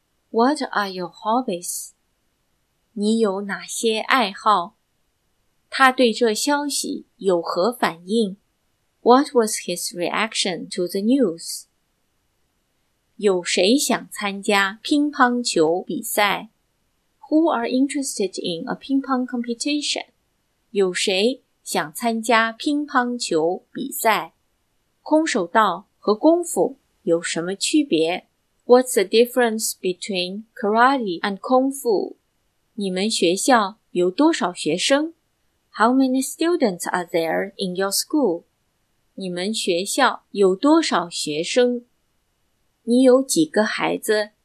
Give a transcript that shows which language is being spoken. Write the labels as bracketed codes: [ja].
[en] What are your hobbies? [zh] 你有哪些爱好? 他对这消息有何反应? [en] What was his reaction to the news? [zh] 有谁想参加乒乓球比赛? [en] Who are interested in a ping pong competition? [zh] 有谁想参加乒乓球比赛? 空手道和功夫有什么区别? [en] What's the difference between karate and kung fu? [zh] 你们学校有多少学生? [en] How many students are there in your school? [zh] 你们学校有多少学生?你有几个孩子?